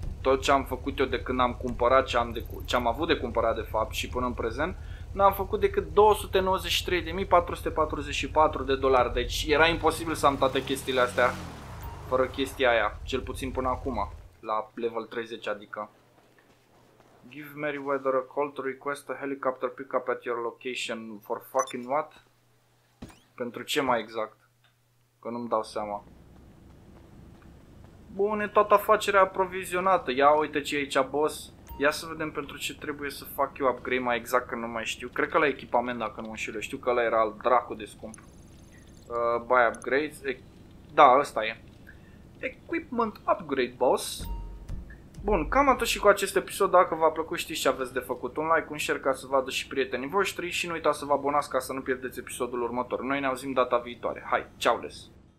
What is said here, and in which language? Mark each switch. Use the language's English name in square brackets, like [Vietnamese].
[Romanian] Tot ce am făcut eu de când am cumpărat, ce am avut de cumpărat de fapt și până în prezent, n-am făcut decât $293,444, deci era imposibil să am toate chestiile astea fără chestia aia, cel puțin până acum, la level 30, adică. [English] Give Meriwether a call to request a helicopter pickup at your location for fucking what? [Romanian] Pentru ce mai exact? Că nu-mi dau seama. Bun, e toată afacerea aprovizionată. Ia uite ce e aici, boss. Ia să vedem pentru ce trebuie să fac eu upgrade mai exact, că nu mai știu. Cred că la echipament, dacă nu înșel, știu că ăla era al dracu de scump. [English] Buy upgrades. [Romanian] Da, ăsta e. [English] Equipment upgrade, boss. [Romanian] Bun, cam atât și cu acest episod. Dacă v-a plăcut, știți ce aveți de făcut. Un like, un share ca să vadă și prietenii voștri. Și nu uitați să vă abonați ca să nu pierdeți episodul următor. Noi ne auzim data viitoare. Hai, ciao, les.